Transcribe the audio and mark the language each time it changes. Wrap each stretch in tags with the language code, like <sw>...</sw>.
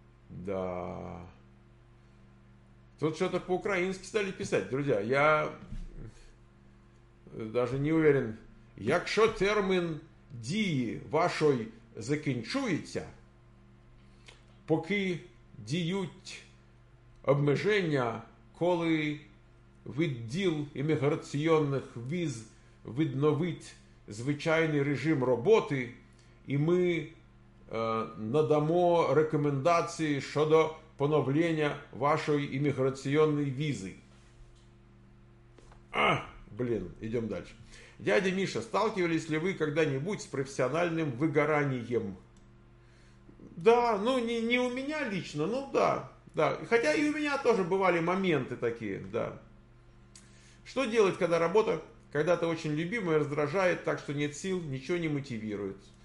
<ru>Да. Тут что-то по-украински стали писать, друзья. Я даже не уверен.</ru> <uk>Якщо термин дії вашої закінчується, поки діють обмеження, коли відділ імміграційних віз відновить звичайний режим роботи, і ми надамо рекомендації щодо поновлення вашої імміграційної візи. А, блін, йдемо далі.</uk> <ru>Дядя Миша, сталкивались ли вы когда-нибудь с профессиональным выгоранием? Да, ну не у меня лично, ну да, да. Хотя и у меня тоже бывали моменты такие, да. Что делать, когда работа когда-то очень любимая раздражает, так что нет сил, ничего не мотивирует?</ru>